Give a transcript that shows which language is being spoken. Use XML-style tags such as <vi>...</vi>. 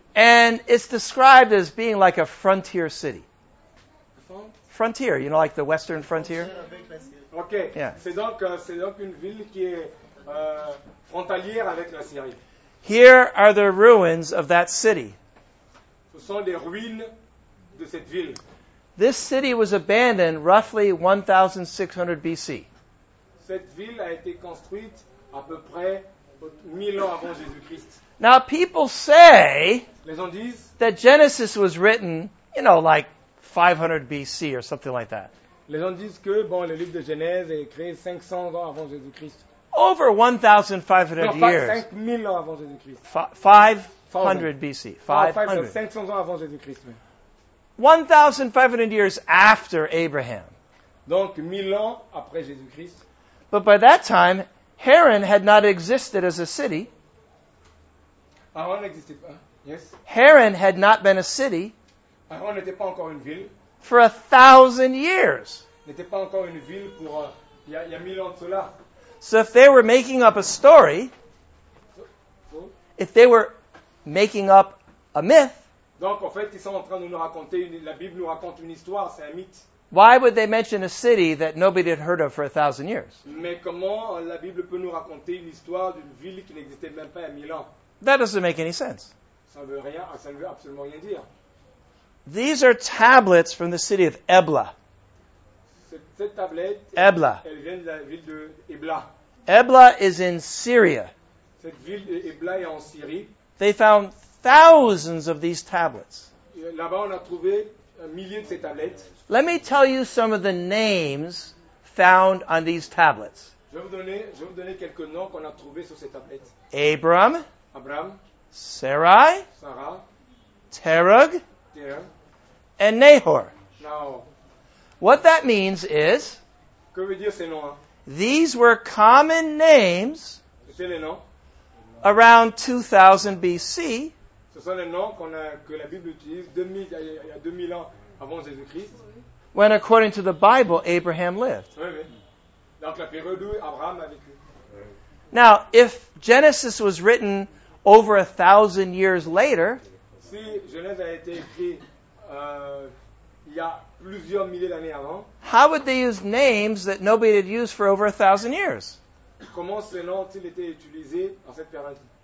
<en>And it's described as being like a frontier city. Frontier, you know, like the western frontier? Okay. Yeah.</en> <fr>C'est donc une ville qui est frontalière avec la Syrie.</fr> <en>Here are the ruins of that city.</en> <fr>Ce sont les ruines de cette ville.</fr> <en>This city was abandoned roughly 1600 BC.</en> <fr>Cette ville a été construite à peu près 1000 ans avant Jésus-Christ.</fr> <en>Now people say</en> <fr>les gens disent</fr> <en>that Genesis was written, you know, like 500 BC or something like that.</en> <fr>Les gens disent que bon, le livre de Genèse est écrit 500 ans avant Jésus-Christ.</fr> <en>Over 1500 years.</en> <fr>5000 ans avant Jésus-Christ.</fr> <en>500 BC.</en> <fr>500 ans avant Jésus-Christ.</fr> <en>1500 years after Abraham.</en> <fr>Donc 1000 ans après Jésus-Christ.</fr> <en>But by that time, Haran had not existed as a city.</en> <fr>Haran n'existait pas.</fr> <en>Yes. Haran had not been a city.</en> <fr>Haran n'était pas encore une ville.</fr> <en>For 1,000 years.</en> <fr>N'était pas encore une ville pour il y a 1000 ans de cela.</fr> <en>So if they were making up a story, if they were making up a myth,</en> <fr>donc en fait ils sont en train de nous raconter la Bible nous raconte une histoire, c'est un mythe.</fr> <en>Why would they mention a city that nobody had heard of for 1,000 years?</en> <fr>Mais comment la Bible peut nous raconter une histoire d'une ville qui n'existait même pas il y a 1000 ans?</fr> <en>That doesn't make any sense.</en> <fr>Ça veut rien, ça ne veut absolument rien dire.</fr> <en>These are tablets from the city of Ebla.</en> <fr>Cette tablette, Ebla. Elle vient de la ville de Ebla.</fr> <en>Ebla is in Syria.</en> <fr>Cette ville de Ebla est en Syrie.</fr> <en>They found thousands of these tablets.</en> <fr>Là-bas, on a trouvé un millier de ces tablettes.</fr> <en>Let me tell you some of the names found on these tablets.</en> <fr>Je vais vous donner quelques noms qu'on a trouvés sur ces tablettes.</fr> <en>Abram. Sarai. Sarah. Terug. Terug. And Nahor. Nahor. What that means is,</en> <fr>que veut dire ces noms?</fr> <en>These were common names.</en> <fr>C'est les noms.</fr> <en>Around 2000 BC.</en> <fr>Ce sont les noms que la Bible utilise 2000, il y a 2000 ans avant Jésus-Christ.</fr> <en>When according to the Bible, Abraham lived.</en> <fr>Oui, oui. Donc la période où Abraham a vécu.</fr> <en>Now, if Genesis was written over 1,000 years later,</en> <fr>si Genèse a été écrit il y a plusieurs milliers d'années avant,</fr> <en>how would they use names that nobody had used for over 1,000 years?</en> <fr>Comment ces noms ont-ils été utilisés en cette période?</fr>